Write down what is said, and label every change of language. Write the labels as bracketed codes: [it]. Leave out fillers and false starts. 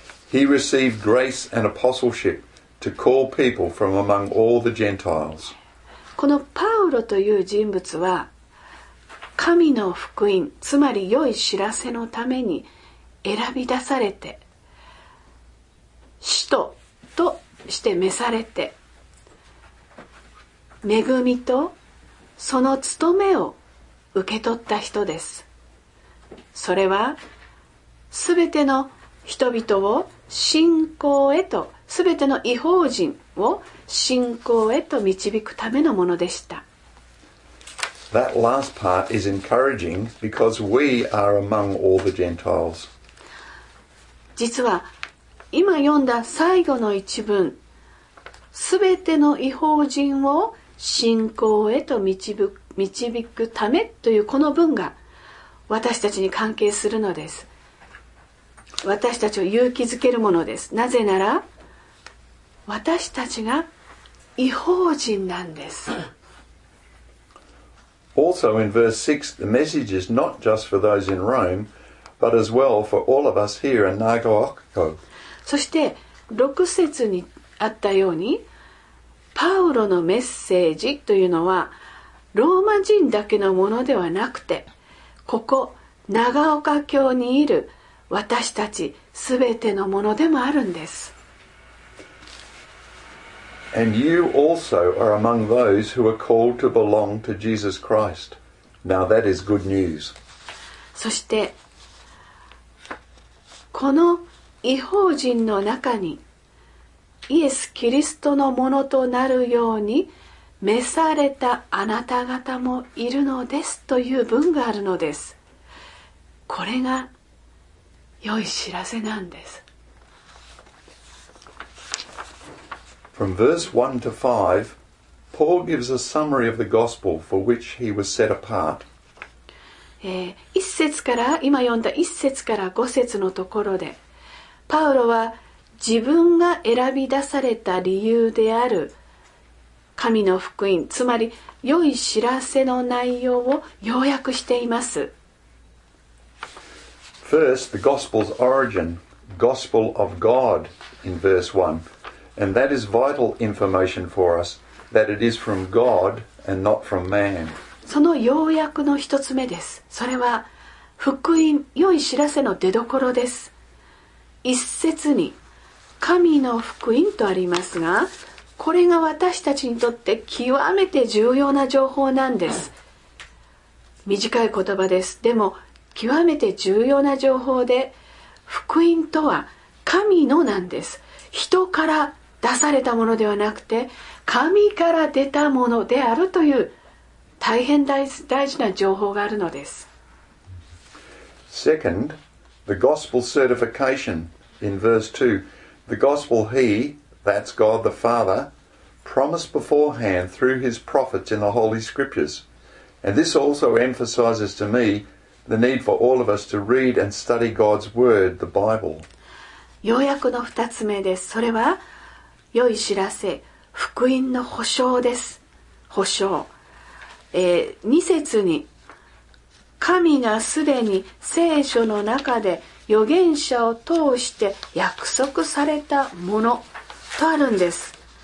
[en] He received grace and apostleship to call people from among all the Gentiles. [ja] このパウロという人物は、神の福音、つまり良い知らせのために選び出されて、使徒として召されて、恵みとその務めを受け取った人です。それはすべての人々を信仰へと、すべての異邦人を信仰へと導くためのものでした。 [en] That last part is encouraging because we are among all the Gentiles. [ja] 実は今読んだ最後の一文、すべての異邦人を信仰へと導くためというこの文が私たちに関係するのです。私たちを勇気づけるものです。なぜなら私たちが異邦人なんです。 [en] Also in verse 6, the message is not just for those in Rome, but as well for all of us here in Nagaoka. [ja] そして6節にあったように、パウロのメッセージというのはローマ人だけのものではなくて、ここ長岡教にいる私たちすべてのものでもあるんです。 [en] And you also are among those who are called to belong to Jesus Christ. Now that is good news. [ja] そしてこの異邦人の中にイエス・キリストのものとなるように召されたあなた方もいるのですという文があるのです。これが良い知らせなんです。 [en] From verse 1 to 5, Paul gives a summary of the gospel for which he was set apart. [ja] 一節から、今読んだ一節から五節のところで、パウロは自分が選び出された理由である神の福音、つまり良い知らせの内容を要約しています。 [en] First, the gospel's origin, gospel of God, in verse 1. And that is vital information for us, that it is from God and not from man. [ja] その要約の一つ目です。それは福音、良い知らせの出どころです。一節に、神の福音とありますが、これが私たちにとって極めて重要な情報なんです。短い言葉です。でも極めて重要な情報で、福音とは神のなんです。人から出されたものではなくて神から出たものであるという大変大事な情報があるのです。 [en] Second, the gospel certification in verse 2. The gospel he, that's God the Father, promised beforehand through his prophets in the Holy Scriptures. And this also emphasizes to me the need for all of us to read and study God's word, the Bible. [ja] 要約の二つ目です。それは良い知らせ、福音の保証です。保証、二節に神がすでに聖書の中で預言者を通して約束されたものとあるんです。